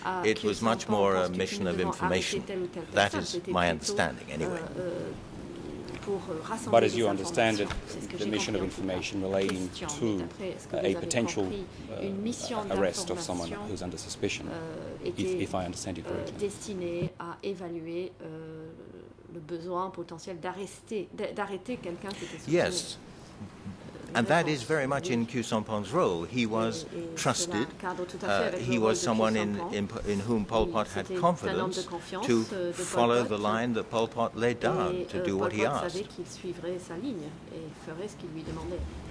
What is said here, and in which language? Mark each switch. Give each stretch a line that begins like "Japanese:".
English: It was much more a mission of information. That is my understanding, anyway. But as you understand it, the mission of information relating to a potential arrest of someone who's under suspicion, if I understand you correctly.
French: Le besoin potentiel d'arrêter quelqu'un qui était soupçonné.
English: Yes, and that is very much in Khieu Samphan's role. He was trusted. He was someone in whom Pol Pot had confidence to follow the line that Pol Pot laid down to do what he asked.
French: Pol Pot savait qu'il suivrait sa ligne et ferait ce qu'il lui demandait.